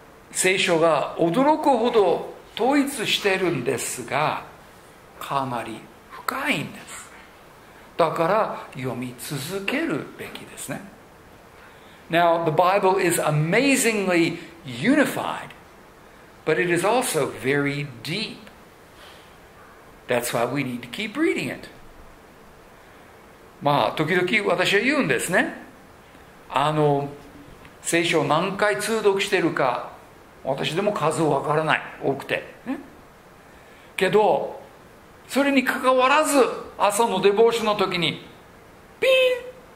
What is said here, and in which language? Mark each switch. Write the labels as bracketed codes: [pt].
[ja] 聖書が驚くほど統一してるんですが、かなり深いんです。だから読み続けるべきですね。 [en] Now, the Bible is amazingly unified, but it is also very deep. That's why we need to keep reading it. [ja] まあ、時々私は言うんですね。聖書を何回通読してるか、私でも数わからない、多くて、ね。けど、それに関わらず、朝のデボーションの時に、ピーン!